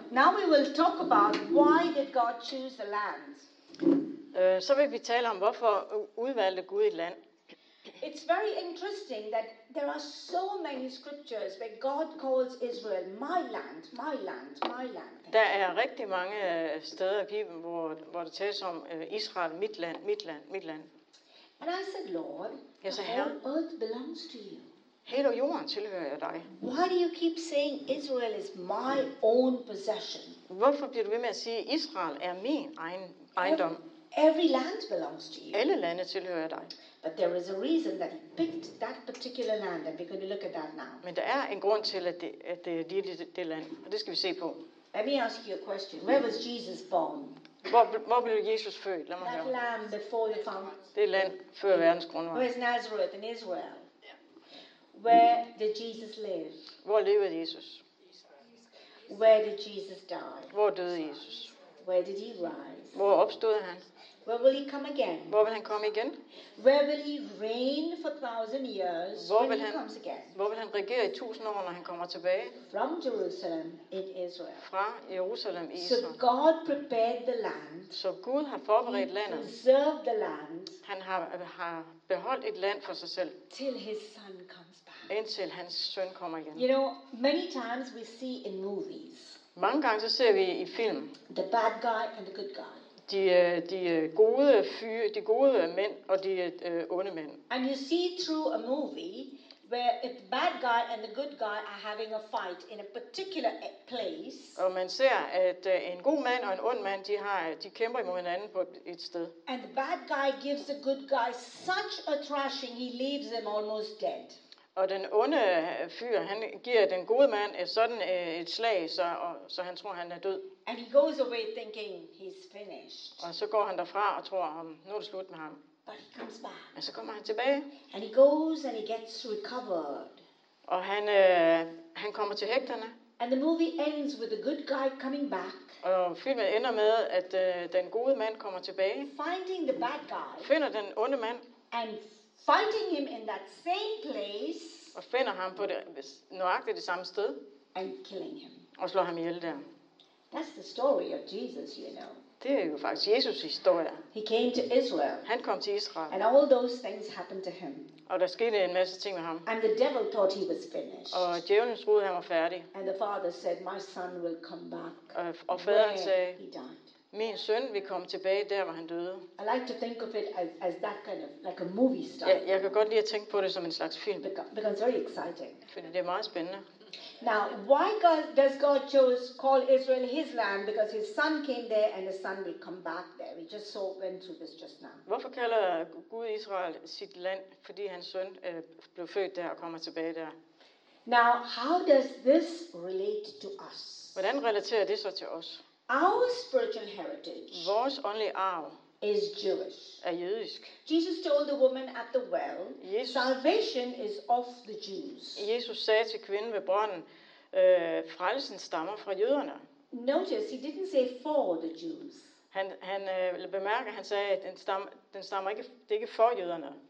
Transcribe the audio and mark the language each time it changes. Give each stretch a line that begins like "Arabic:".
English: Now we will talk about why did God choose the land.
Danish: Så vil vi tale om, hvorfor udvalgte Gud et land.
English: It's very interesting that there are so many scriptures where God calls Israel my land, my land, my land.
Danish: Der er rigtig mange steder i Bibelen, hvor det tales om Israel, mit land, mit land, mit land.
English: And I said, Lord, the whole earth belongs to you.
Danish: Hele jorden tilhører jeg dig.
English: Why do you keep saying Israel is my own possession?
Danish: Hvorfor bliver du ved med at sige, Israel er min egen ejendom?
English: Every land belongs to you.
Danish: Alle lande tilhører dig.
English: But there is a reason that he picked that particular land, and we're going to look at that now.
Danish: Men der er en grund til at det land, og det skal vi se på.
English: Let me ask you a question. Where was Jesus born?
Danish: Hvor blev Jesus født? Lad mig høre.
English: That land before the fountain.
Danish: Det land før verdens grundvold.
English: Where is Nazareth in Israel? Where did Jesus live?
Danish: Hvor levede Jesus?
English: Where did Jesus die?
Danish: Hvor døde Jesus?
English: Where did he rise?
Danish: Hvor opstod han?
English: Where will he come again?
Danish: Hvor vil han komme igen?
English: Where will he reign for 1,000 years when he comes again?
Danish: Hvor vil han regere i 1,000 år, når han kommer tilbage?
English: From Jerusalem in Israel.
Danish: Fra Jerusalem i Israel.
English: So God prepared the land.
Danish: Så Gud har forberedt landet.
English: He preserved the land.
Danish: Han har beholdt et land for sig selv.
English: Till his son comes back.
Danish: indtil hans søn kommer igen.
English: You know, many times we see in movies.
Danish: Mange gange så ser vi i film.
English: The bad guy and the good guy.
Danish: De gode mænd og de onde mænd.
English: And you see through a movie where if the bad guy and the good guy are having a fight in a particular place.
Danish: Og man ser at en god mand og en ond mand, de kæmper imod hinanden på et sted.
English: And the bad guy gives the good guy such a thrashing, he leaves him almost dead.
Danish: Og den onde fyr, han giver den gode mand sådan et slag, så han tror, han er død.
English: And he goes away thinking he's finished.
Danish: Og så går han derfra og tror, nu er det slut med ham.
English: But he comes back.
Danish: Og så kommer han tilbage.
English: And he goes and he gets recovered.
Danish: Og han kommer til hægterne.
English: And the movie ends with the good guy coming back.
Danish: Og filmen ender med, at den gode mand kommer tilbage.
English: Finding the bad guy.
Danish: Finder den onde mand.
English: And finding him in that same place.
Danish: Og finder ham på nøjagtigt det samme sted.
English: And killing him.
Danish: Og slår ham ihjel der.
English: That's the story of Jesus, you know.
Danish: Det er jo faktisk Jesus historie.
English: He came to Israel.
Danish: Han kom til Israel.
English: And all those things happened to him.
Danish: Og der skete en masse ting med ham.
English: And the devil thought he was finished.
Danish: Og djævlen troede han var færdig.
English: And the father said, my son will come back.
Danish: Og faderen sagde,
English: he died.
Danish: Min søn vil komme tilbage der, hvor han døde.
English: I like to think of it as that kind of like a movie style.
Danish: Ja, jeg kan godt lide at tænke på det som en slags film.
English: Because it's very exciting.
Danish: Fordi det er meget spændende.
English: Now, why does God choose call Israel His land? Because His son came there, and His son will come back there. We just saw went through this just now.
Danish: Hvorfor kalder Gud Israel sit land, fordi hans søn blev født der og kommer tilbage der?
English: Now, how does this relate to us?
Danish: Hvordan relaterer det så til os?
English: Our spiritual heritage.
Danish: Vores åndelige arv
English: is Jewish.
Danish: Er jødisk.
English: Jesus told the woman at the well,
Danish: Jesus,
English: salvation is of the Jews.
Danish: Jesus sagde til kvinden ved brønden, frelsen stammer fra jøderne.
English: Notice he didn't say for the Jews.
Danish: Han sagde at den stammer ikke, det er ikke for jøderne.